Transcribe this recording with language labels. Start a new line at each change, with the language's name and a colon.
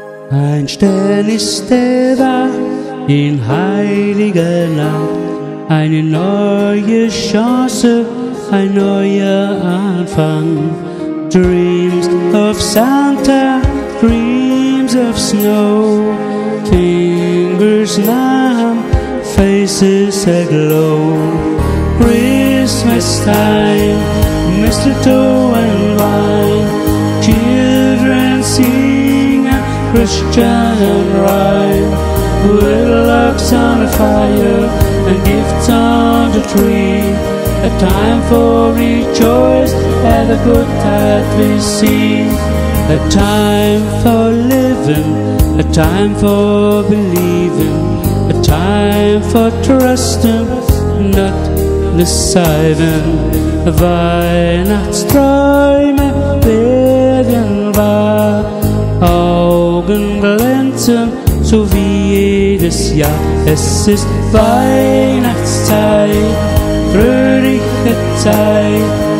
German: Ein Stern ist er da in heiliger Nacht. Eine neue Chance, ein neuer Anfang.
English: Dreams of Santa, dreams of snow. Fingers numb, faces aglow. Christmas time, mistletoe and wine. Children sing a Christian rhyme. Little logs on a fire and gifts on the tree. A time for rejoice and the good that we see. A time for living, a time for believing. A time for trusting, not deceiving.
German: Weihnachtsträume werden wahr. Augen glänzen, so wie jedes Jahr. Es ist Weihnachtszeit, fröhliche Zeit.